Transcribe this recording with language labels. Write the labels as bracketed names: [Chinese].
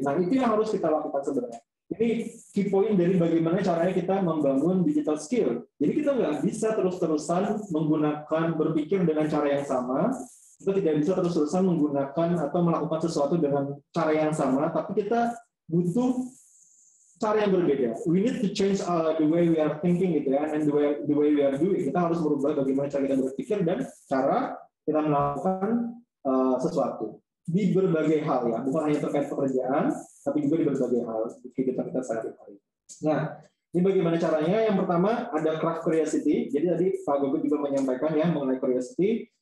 [Indonesian] Nah itu yang harus kita lakukan sebenarnya. Ini key point dari bagaimana caranya kita membangun digital skill. Jadi kita nggak bisa terus-terusan menggunakan berpikir dengan cara yang sama. Kita tidak bisa terus-terusan menggunakan atau melakukan sesuatu dengan cara yang sama. Tapi kita butuh cara yang berbeda. [English] We need to change the way we are thinking [Indonesian] gitu ya, [English] and the way we are doing. [Indonesian] Kita harus merubah bagaimana cara kita berpikir dan cara kita melakukan sesuatu di berbagai hal ya, bukan hanya terkait pekerjaan, tapi juga di berbagai hal kehidupan kita sehari-hari. Nah, ini bagaimana caranya? Yang pertama ada craft curiosity. Jadi tadi Pak Gogo juga menyampaikan ya mengenai curiosity.